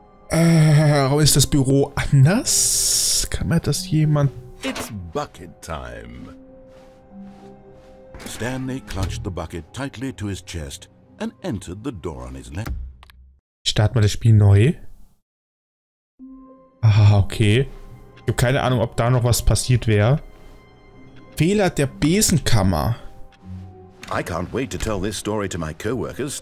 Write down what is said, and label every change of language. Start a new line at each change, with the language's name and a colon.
German: Warum ist das Büro anders? Kann mir das jemand...
English: It's bucket time. Stanley clutched the bucket tightly to his chest and entered the door on his left.
German: Start mal das Spiel neu. Ah, okay. Ich habe keine Ahnung, ob da noch was passiert wäre. Fehler der Besenkammer.
English: I can't wait to tell this story to my coworkers.